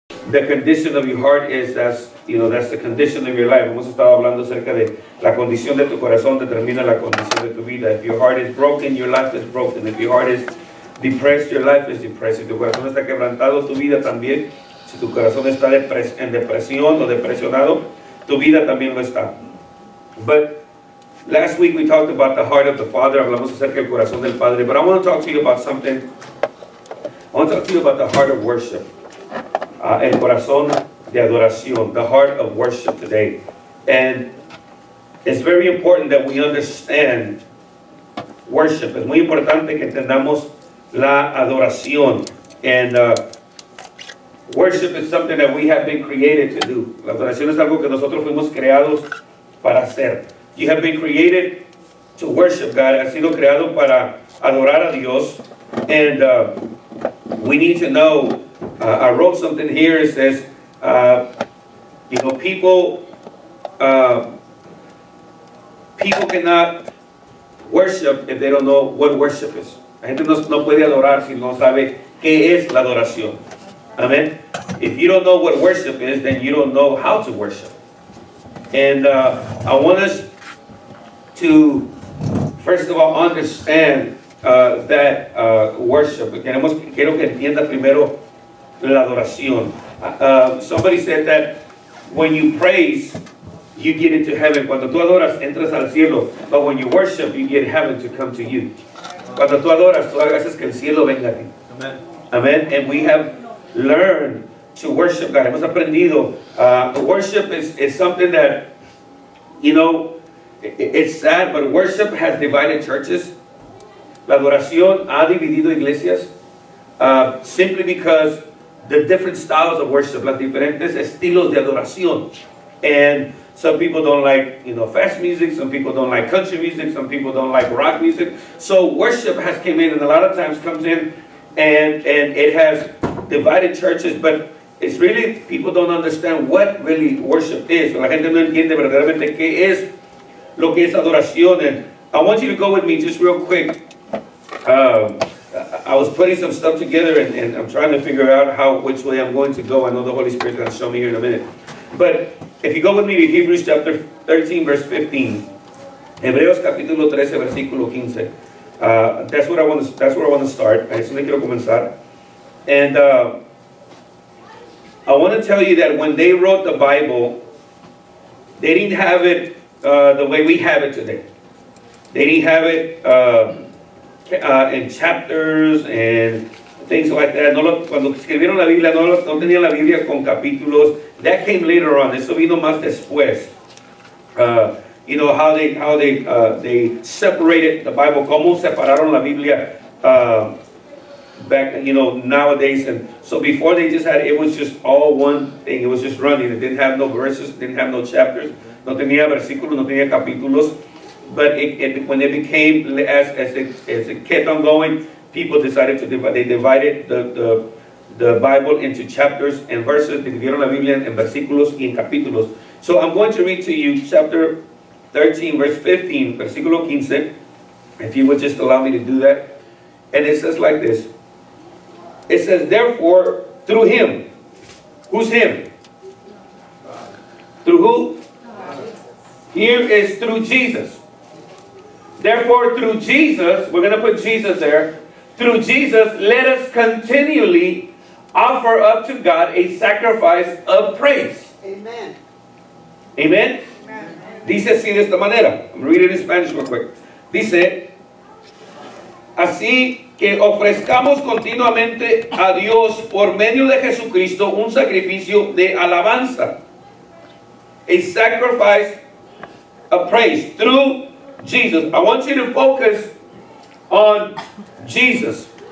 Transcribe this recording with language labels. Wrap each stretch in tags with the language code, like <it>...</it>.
<en>The condition of your heart is, that's, you know, that's the condition of your life.</en> <es>Hemos estado hablando acerca de la condición de tu corazón determina la condición de tu vida.</es> <en>If your heart is broken, your life is broken. If your heart is depressed, your life is depressed. If</en> <es>tu corazón está quebrantado, tu vida también. Si tu corazón está en depresión o depresionado, tu vida también lo está.</es> <en>But last week we talked about the heart of the Father.</en> <es>Hablamos acerca del corazón del Padre.</es> <en>But I want to talk to you about something. I want to talk to you about the heart of worship.</en> <es>El corazón de adoración,</es> <en>the heart of worship today. And it's very important that we understand worship.</en> <es>Es muy importante que entendamos la adoración.</es> <en>And worship is something that we have been created to do.</en> <es>La adoración es algo que nosotros fuimos creados para hacer.</es> <en>You have been created to worship God.</en> <es>Has sido creado para adorar a Dios.</es> <en>And we need to know, I wrote something here, it says, you know, people cannot worship if they don't know what worship is.</en> <es>La gente no puede adorar si no sabe qué es la adoración. Amen.</es> <en>If you don't know what worship is, then you don't know how to worship. And I want us to, first of all, understand that worship.</en> <es>Quiero que entienda primero la adoración.</es> <en>Somebody said that when you praise, you get into heaven.</en> <es>Cuando tú adoras, entras al cielo.</es> <en>But when you worship, you get heaven to come to you.</en> <es>Cuando tú adoras, tú haces que el cielo venga a ti. Amen.</es> <en>Amen. And we have learned to worship God.</en> <es>Hemos aprendido.</es> <en>Worship is something that, you know, it's sad, but worship has divided churches.</en> <es>La adoración ha dividido iglesias.</es> <en>Simply because the different styles of worship,</en> <es>las diferentes estilos de adoración.</es> <en>And some people don't like, you know, fast music. Some people don't like country music. Some people don't like rock music. So worship has came in and a lot of times comes in and it has divided churches. But it's really, people don't understand what really worship is.</en> <es>La gente no entiende verdaderamente qué es lo que es adoración.</es> <en>And I want you to go with me just real quick. I was putting some stuff together and I'm trying to figure out how which way I'm going to go. I know the Holy Spirit is going to show me here in a minute. But if you go with me to Hebrews chapter 13, verse 15.</en> <es>Hebreos capítulo 13, versículo 15.</es> <en>That's where I want to start.</en> <es>Es donde quiero comenzar.</es> <en>And I want to tell you that when they wrote the Bible, they didn't have it the way we have it today. They didn't have it in chapters and things like that.</en> <es>Cuando escribieron la Biblia, no tenían la Biblia con capítulos.</es> <en>That came later on.</en> <es>Eso vino más después.</es> <en>You know, how they separated the Bible.</en> <es>Cómo separaron la Biblia</es> <en>back, you know, nowadays. And so before they just had, it was just all one thing. It was just running. It didn't have no verses. It didn't have no chapters.</en> <es>No tenía versículos. No tenía capítulos.</es> <en>But when it became, as it kept on going, people decided to divide. They divided the Bible into chapters and verses.</en> <es>Dividieron la Biblia en versículos y en capítulos.</es> <en>So I'm going to read to you chapter 13, verse 15, versículo 15, if you would just allow me to do that. And it says like this. It says, therefore, through him. Who's him? Through who? Here is through Jesus. Therefore, through Jesus, we're going to put Jesus there. Through Jesus, let us continually offer up to God a sacrifice of praise. Amen.</en> <es>Amen. Dice así de esta manera.</es> <en>I'm going to read it in Spanish real quick.</en> <es>Dice, así que ofrezcamos continuamente a Dios por medio de Jesucristo un sacrificio de alabanza.</es> <en>A sacrifice of praise. Through Jesus. I want you to focus on Jesus.</en>